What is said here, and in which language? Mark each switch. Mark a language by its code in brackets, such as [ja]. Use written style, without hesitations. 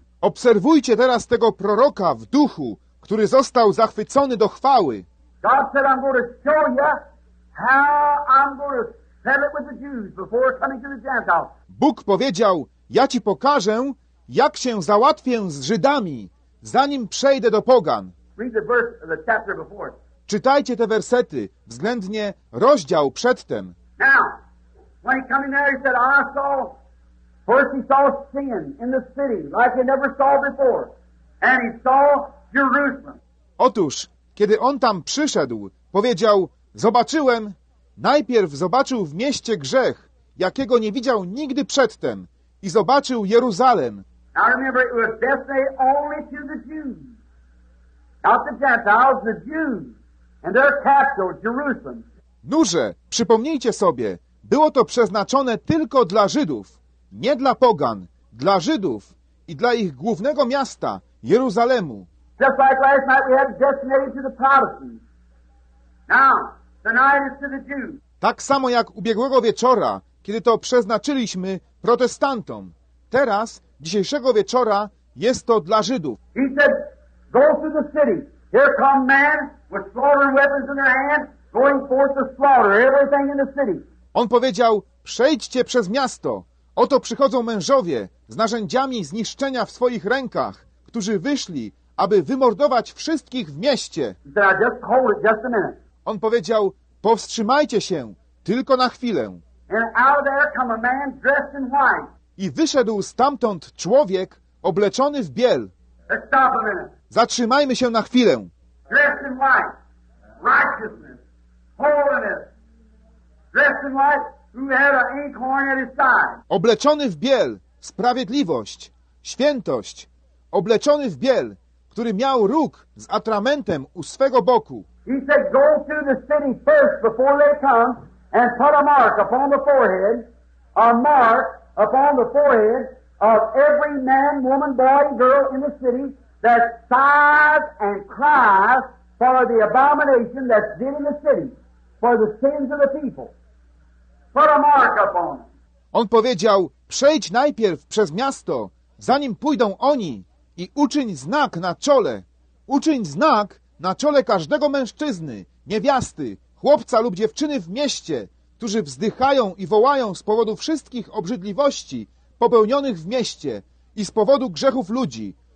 [pl] Obserwujcie teraz tego proroka w duchu, który został zachwycony do chwały. [en] God said, I'm going to show you how I'm going to settle it with the Jews before coming to the Gentiles. [pl] Bóg powiedział, ja ci pokażę, jak się załatwię z Żydami, zanim przejdę do pogan. [en] Read the verse of the chapter before. [pl] Czytajcie te wersety, względnie rozdział przedtem. [en] Now, when he came there, he said, I saw, first he saw sin in the city, like he never saw before, and he saw Jerusalem. [pl] Otóż, kiedy on tam przyszedł, powiedział, zobaczyłem, najpierw zobaczył w mieście grzech, jakiego nie widział nigdy przedtem, i zobaczył Jeruzalem. [en] Now remember, it was destined only to the Jews, not the Gentiles, the Jews, and their capital, Jerusalem. [pl] Nurze, przypomnijcie sobie, było to przeznaczone tylko dla Żydów, nie dla pogan, dla Żydów i dla ich głównego miasta, Jeruzalemu. [en] Just like last night we had destined to the Protestants. Now, tonight is to the Jews. [pl] Tak samo jak ubiegłego wieczora, kiedy to przeznaczyliśmy protestantom. Teraz, dzisiejszego wieczora, jest to dla Żydów. [en] He said, go through the city. Here come men with slaughtering weapons in their hands, going forth to slaughter everything in the city. [pl] On powiedział, przejdźcie przez miasto. Oto przychodzą mężowie z narzędziami zniszczenia w swoich rękach, którzy wyszli, aby wymordować wszystkich w mieście. [en] Said, just hold it, just a minute. [pl] On powiedział, powstrzymajcie się, tylko na chwilę. [en] And out of there come a man dressed in white. [pl] I wyszedł stamtąd człowiek obleczony w biel. [en] Let's stop a minute. [pl] Zatrzymajmy się na chwilę. [en] Dressed in white, righteousness, holiness. Dressed in white, who had an ink horn at his side. [pl] Obleczony w biel, sprawiedliwość, świętość. Obleczony w biel, który miał róg z atramentem u swego boku. [en] He said, go to the city first before they come and put a mark upon the forehead, a mark upon the forehead of every man, woman, boy, and girl in the city that sighs and cries for the abomination that's been in the city, for the sins of the people. Put a mark upon them. [pl] On powiedział, przejdź najpierw przez miasto, zanim pójdą oni, i uczyń znak na czole. Uczyń znak na czole każdego mężczyzny, niewiasty, chłopca lub dziewczyny w mieście, którzy wzdychają i wołają z powodu wszystkich obrzydliwości popełnionych w mieście i z powodu grzechów ludzi.